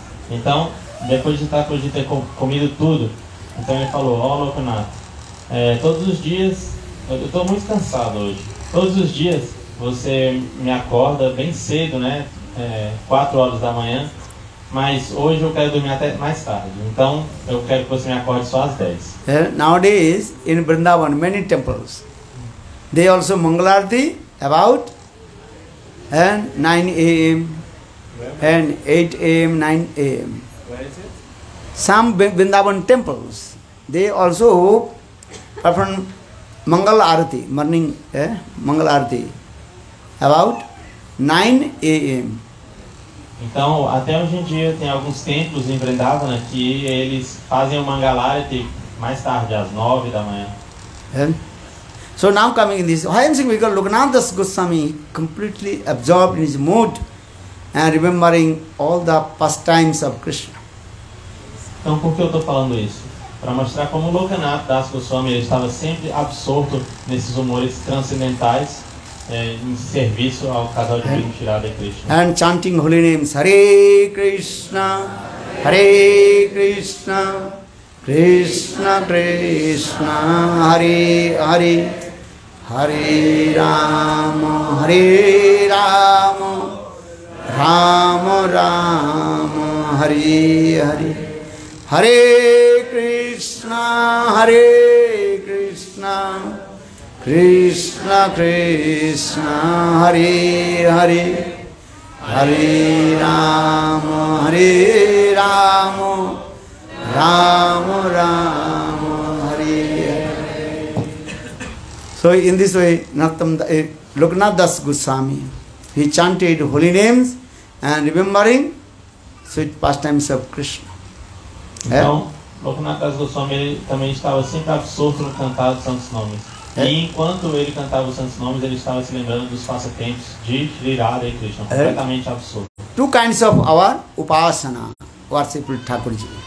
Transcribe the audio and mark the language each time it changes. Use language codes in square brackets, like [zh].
[pt] Então, depois de estar podendo ter comido tudo, então ele falou, oh Lokanath, todos os dias, eu estou muito cansado hoje. Todos os dias você me acorda bem cedo, né? 4 horas da manhã. Mas hoje eu quero dormir até mais tarde. Então eu quero que você me acorde só às 10. [en] Nowadays, in Vrindavan, many temples, they also Mangalarti about 9 a.m. and 8 a.m., 9 a.m. Some Vrindavan temples, they also perform Mangal Arati, morning Mangal Arati, about 9 a.m. [pt] Então, até hoje em dia, tem alguns templos em Vrindavana que eles fazem o Mangal Arati mais tarde, às 9 da manhã. [en] So now coming in this, why I'm saying, because Lokanath Das Goswami completely absorbed in his mood and remembering all the pastimes of Krishna. [pt] Então, por que eu estou falando isso? Para mostrar como Lokanath Das Goswami estava sempre absorto nesses humores transcendentais em serviço ao casal de Vrindavana Krishna. [en] And chanting holy names, Hare Krishna, Hare Krishna, Krishna Krishna, Hare Hare, Hare Rama, Hare Rama, Rama Rama, Hare Hare. Hare Krishna, Hare Krishna, Krishna Krishna, Hare Hare, Hare Rama, Hare Rama, Rama Rama, Hare Hare. So in this way, Lokanath Das Goswami, he chanted holy names and remembering sweet pastimes of Krishna. [pt] Então, Lokanath Das Goswami ele também estava sempre absorto no cantar dos santos nomes. E enquanto ele cantava os santos nomes, ele estava se lembrando dos passatempos de Sri Radha e Krishna, completamente absorto. [en] Two kinds of our upasana, worshipful Thakurji.